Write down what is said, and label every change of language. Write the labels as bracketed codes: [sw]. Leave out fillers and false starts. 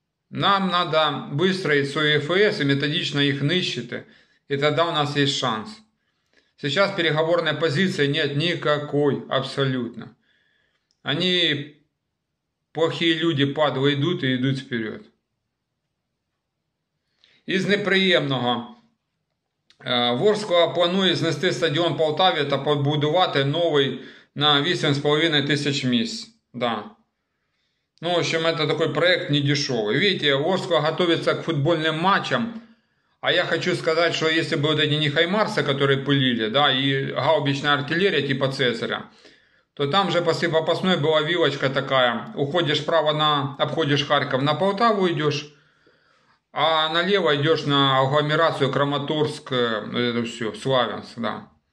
[ru] Нам надо выстроить свой ФС и методично их ныщиты, и тогда у нас есть шанс. Сейчас переговорной позиции нет никакой, абсолютно. Они, плохие люди, падлы, идут и идут вперед. [uk] Из неприємного. Ворскла планує знести стадіон Полтаві та побудувати новий на 8,5 тисяч місць. Да. [ru] Ну, в общем, [uk] це такий проєкт недешевий. [ru] Видите, [uk] Ворскла готується к футбольним матчам. [ru] А я хочу сказать, что если бы вот эти не хаймарсы, которые пылили, да, и гаубичная артиллерия типа Цезаря, то там же после Попасной была вилочка такая. Уходишь вправо, обходишь Харьков, на Полтаву идешь, А налево идешь на агломерацию Краматорск, это все, Славянск, да.